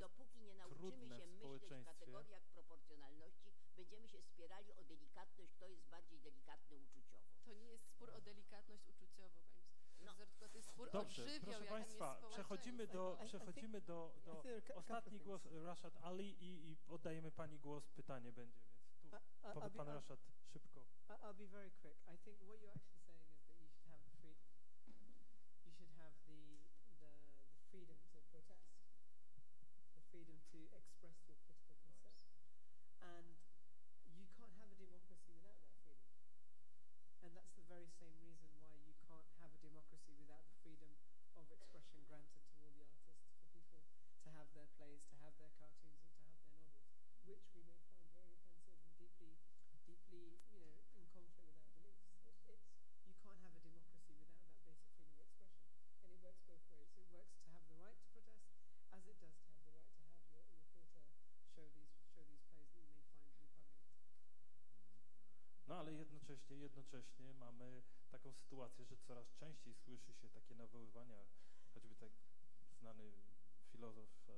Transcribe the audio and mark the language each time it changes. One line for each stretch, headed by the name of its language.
Polish: Dopóki nie nauczymy się myśleć w kategoriach proporcjonalności, będziemy się spierali o delikatność, kto jest bardziej delikatny uczuciowo. To nie jest spór o delikatność uczuciowo, pani. Dobrze, proszę Państwa, przechodzimy do ostatni głos, Rashad Ali, i oddajemy Pani głos, pytanie będzie, więc tu powie Pan Rashad szybko.
English: I'll be very quick. I think what you're actually saying is that you should have the freedom to protest, the freedom to express your political concern. And you can't have a democracy without that freedom. And that's the very same reason why you can't have a democracy without the freedom of expression granted to all the artists, for people to have their plays, to have their cartoons, and to have their novels, which we may find very offensive and deeply, you know, in conflict with our beliefs. It's you can't have a democracy without that basic freedom of expression, and it works both ways. It works to have the right to protest, as it does to have the right to have your theatre show these plays that you may find repugnant.
Polish: No ale jednocześnie mamy taką sytuację, że coraz częściej słyszy się takie nawoływania, choćby tak znany filozof